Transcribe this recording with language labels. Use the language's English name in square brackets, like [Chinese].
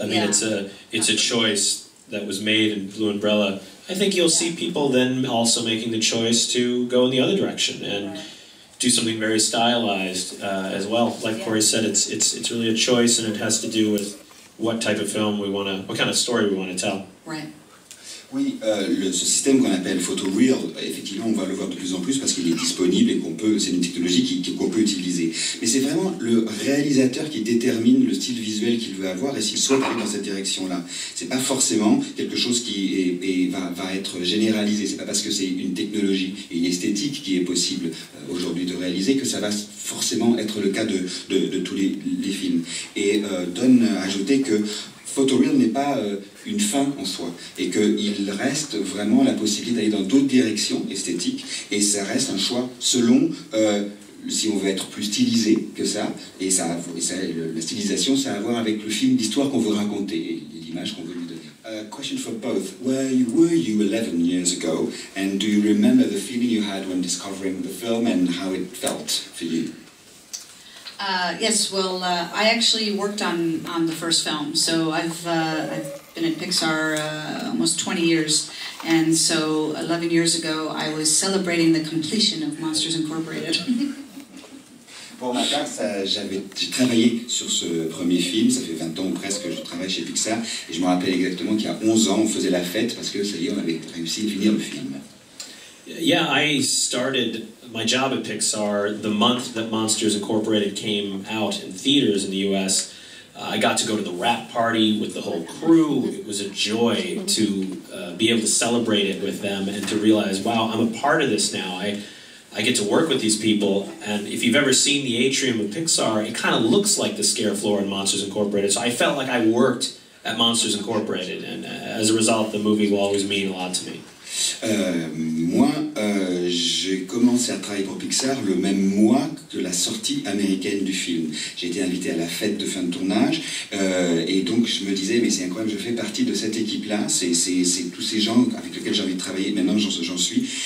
[English] I mean, it's a choice that was made in Blue Umbrella. I think you'll see people then also making the choice to go in the other direction and do something very stylized as well. Like Kory said, it's really a choice, and it has to do with what type of film we want to, what kind of story we want to tell. Right. [French] Oui, ce système qu'on appelle photoreal, effectivement, on va le voir de plus en plus parce qu'il est disponible et qu'on peut, c'est une technologie qu'on peut utiliser. Mais c'est vraiment le réalisateur qui détermine le style visuel qu'il veut avoir et s'il souhaite aller dans cette direction-là. C'est pas forcément quelque chose qui va être généralisé. C'est pas parce que c'est une technologie et une esthétique qui est possible aujourd'hui de réaliser que ça va forcément être le cas de tous les films. Et Don a ajouté que photoreal n'est pas une fin en soi, et qu'il reste vraiment la possibilité d'aller dans d'autres directions esthétiques, et ça reste un choix selon si on veut être plus stylisé que ça, la stylisation, ça a à voir avec le film d'histoire qu'on veut raconter, et l'image qu'on veut lui donner. [English] Question for both. Were you 11 years ago, and do you remember the feeling you had when discovering the film, and how it felt for you? Yes, well, I actually worked on the first film, so I've been at Pixar almost 20 years, and so 11 years ago I was celebrating the completion of Monsters Incorporated. [French] Pour ma part, j'ai travaillé sur ce premier film, ça fait 20 ans ou presque que je travaille chez Pixar, et je me rappelle exactement qu'il y a 11 ans on faisait la fête parce que ça y est, on avait réussi à finir le film. [English] Yeah, I started my job at Pixar the month that Monsters Incorporated came out in theaters in the US. I got to go to the wrap party with the whole crew. It was a joy to be able to celebrate it with them and to realize, wow, I'm a part of this now. I get to work with these people. And if you've ever seen the atrium of Pixar, it kind of looks like the scare floor in Monsters Incorporated. So I felt like I worked at Monsters Incorporated, and as a result, the movie will always mean a lot to me. [French] J'ai commencé à travailler pour Pixar le même mois que la sortie américaine du film. J'ai été invité à la fête de fin de tournage, et donc je me disais, mais c'est incroyable, je fais partie de cette équipe-là, c'est tous ces gens avec lesquels j'ai envie de travailler, maintenant j'en suis.